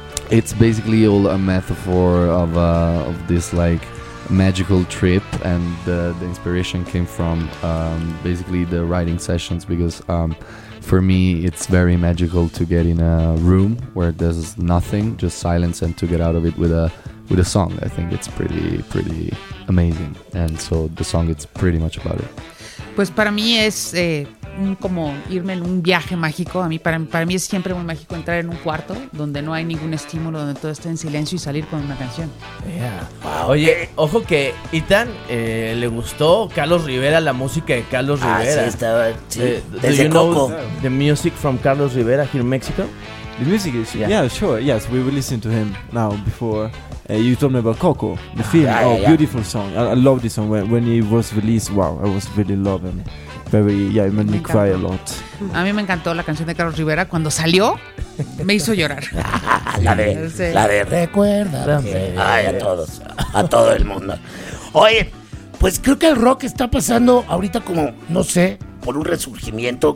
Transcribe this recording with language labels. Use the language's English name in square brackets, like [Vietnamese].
[English] It's basically all a metaphor of this like magical trip, and the inspiration came from basically the writing sessions, because for me it's very magical to get in a room where there's nothing, just silence, and to get out of it with a song. I think it's pretty amazing, and so the song, it's pretty much about it. [Spanish] Pues para mí es como irme en un viaje mágico. A mí, para mí es siempre muy mágico entrar en un cuarto donde no hay ningún estímulo, donde todo está en silencio, y salir con una canción. Yeah. Oye, ojo que Ethan le gustó Carlos Rivera, la música de Carlos Rivera. Ah, sí, estaba, sí. Desde [English] you know Coco. The music from Carlos Rivera here in Mexico? The music is, yeah sure, yes, we were listening to him now before. You told me about Coco, the film. Beautiful song. I love this song. When it was released, wow, I was really loving it. It made me cry a lot. [Spanish] A mí me encantó la canción de Carlos Rivera. Cuando salió, me hizo llorar. La de recuérdame. Ay, a todo el mundo. Oye, pues creo que el rock está pasando ahorita como, no sé, por un resurgimiento.